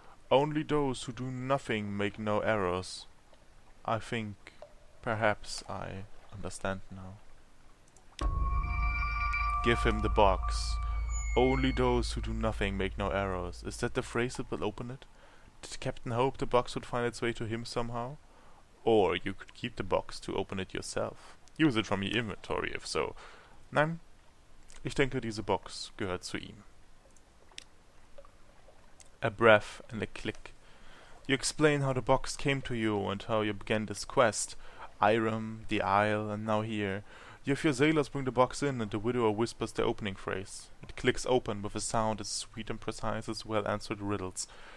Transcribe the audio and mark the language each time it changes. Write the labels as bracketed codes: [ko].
[en] Only those who do nothing make no errors. I think perhaps I understand now. Give him the box. Only those who do nothing make no errors. Is that the phrase that will open it? Did Captain hope the box would find its way to him somehow? Or you could keep the box to open it yourself. Use it from your inventory, if so. [de] Nein, ich denke, diese Box gehört zu ihm. [en] A breath and a click. You explain how the box came to you and how you began this quest. Irem, the Isle, and now here. You have your sailors bring the box in and the widower whispers the opening phrase. It clicks open with a sound as sweet and precise as well-answered riddles.